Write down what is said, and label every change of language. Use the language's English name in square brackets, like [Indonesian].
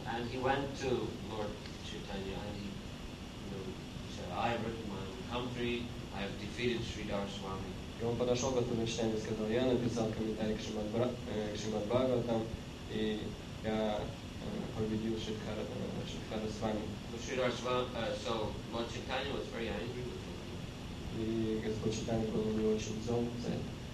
[English] And he went to Lord Chaitanya and he said, I've written my own commentary, I have defeated Sridhar Swami. [Russian] И он подошел к Господу Чайтанье и сказал, я написал комментарий к Шримад Бхагаватам, и я победил Шридхара с вами. [English] So Lord Chaitanya was very angry with him. [Russian] И Господь Чайтанье был не очень зол за это.